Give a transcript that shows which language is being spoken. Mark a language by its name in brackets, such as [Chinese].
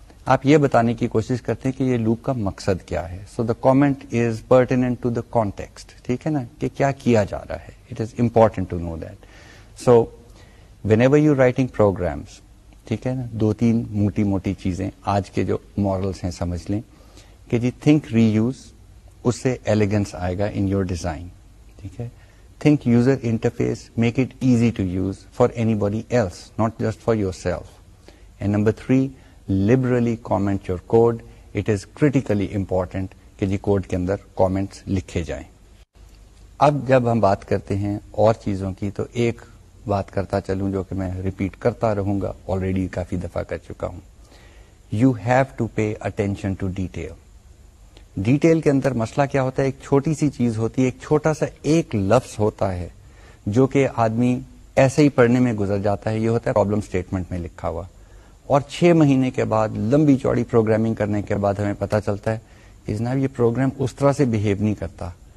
[Urdu] آپ یہ بتانے کی کوشش کرتے ہیں کہ یہ لوپ کا مقصد کیا ہے. [English] so the comment is pertinent to the context, [Urdu] ٹھیک ہے نا, کہ کیا کیا جا رہا ہے. [English] It is important to know that. So whenever you writing programs, [Urdu] ٹھیک ہے نا, دو تین موٹی موٹی چیزیں آج کے جو مورلس ہیں سمجھ لیں کہ جی [English] think reuse, [Urdu] اس سے ایلیگنس آئے گا [English] in your design, [Urdu] ٹھیک ہے. [English] Think user interface, make it easy to use for anybody else, not just for yourself. And number three, liberally comment your code. It is critically important [Urdu] کہ جی code کے اندر comments لکھے جائیں. اب جب ہم بات کرتے ہیں اور چیزوں کی, تو ایک بات کرتا چلوں جو کہ میں ریپیٹ کرتا رہوں گا, آلریڈی کافی دفعہ کر چکا ہوں. [English] You have to pay attention to detail. [Urdu] Detail کے اندر مسئلہ کیا ہوتا ہے, ایک چھوٹی سی چیز ہوتی ہے, ایک چھوٹا سا ایک لفظ ہوتا ہے جو کہ آدمی ایسے ہی پڑھنے میں گزر جاتا ہے, یہ ہوتا ہے پرابلم سٹیٹمنٹ میں لکھا ہوا. اور چھ مہینے کے بعد لمبی چوڑی پروگرامنگ کرنے کے بعد ہمیں پتہ چلتا ہے کہ جناب یہ پروگرام اس طرح سے بیہیو نہیں کرتا.